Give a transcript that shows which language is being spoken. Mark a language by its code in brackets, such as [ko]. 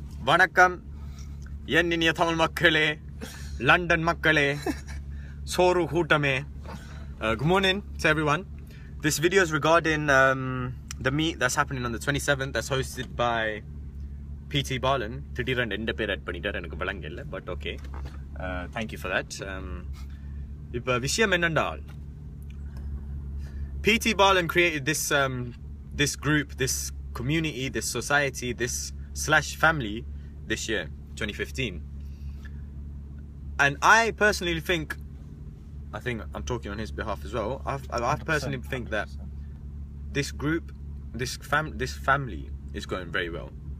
[ta] வணக்கம் என் இனிய தமிழ் மக்களே, லண்டன் மக்களே, சோறு கூட்டமே. [en] Good morning to everyone. This video is regarding the meet that's happening on the 27th that's hosted by PT Balan. [ta] திடீரென்று எந்த பேர் ஆட் பண்ணிட்டார் எனக்கு விளங்கல, [en] But okay, thank you for that. [ta] இப்போ விஷயம் என்னண்டால், [en] PT Balan created this this group, this community, this society, this slash family this year, 2015. And I personally think, I think I'm talking on his behalf as well, I personally think that this group, this family is going very well.